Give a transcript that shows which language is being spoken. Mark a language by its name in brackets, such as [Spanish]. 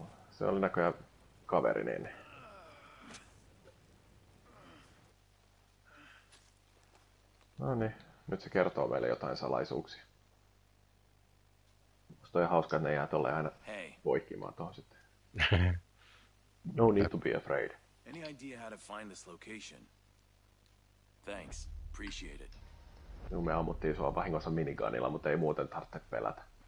[Finnish] Se oli näköjään kaveri, niin... No niin, nyt se kertoo meille jotain salaisuuksia. Musta on hauska, että ne jää tolleen aina poikkimaan tohon sitten. [English] No need to be afraid. Any idea how to find this location? Thanks, appreciate it. [Finnish] No, me ammuttiin sua vahingossa miniganilla, mutta ei muuten tarvitse pelätä.